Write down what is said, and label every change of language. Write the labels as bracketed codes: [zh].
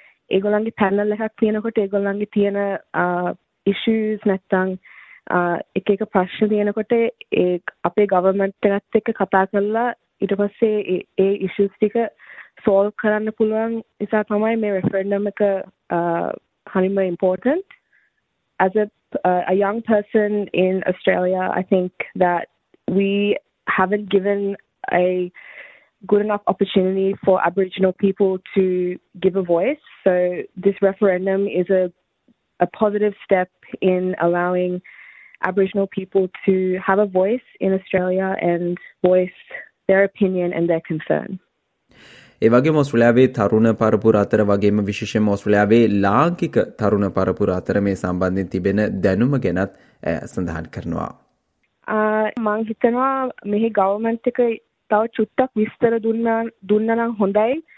[si] ඒගොල්ලන්ගේ පැනල් එකක් තියෙනකොට ඒගොල්ලන්ගේ තියෙන ඉෂ්‍යුස් නැත්තම් එක එක ප්‍රශ්න තියෙනකොට අපේ ගවර්න්මෙන්ට් එකත් එක්ක කතා කරලා ඊට පස්සේ ඒ ඉෂ්‍යුස් ටික සෝල්ව් කරන්න පුළුවන් නිසා තමයි මේ රෙෆරෙන්ඩම් එක හරිම important. [en] As a young person in Australia, I think that we haven't given a good enough opportunity for Aboriginal people to give a voice. So this referendum is a positive step in allowing Aboriginal people to have a voice in Australia and voice their opinion and their concern. [si] ඒ වගේම ඔස්ට්‍රේලියාවේ තරුණ පරපුර අතර වගේම විශේෂයෙන්ම ඔස්ට්‍රේලියාවේ ලාංකික තරුණ පරපුර අතර මේ සම්බන්ධයෙන් තිබෙන දැනුම ගැනත් සඳහන් කරනවා. මං හිතනවා මෙහි ගවර්න්මන්ට් එක තව චුට්ටක් විස්තර දුන්නා නම් හොඳයි.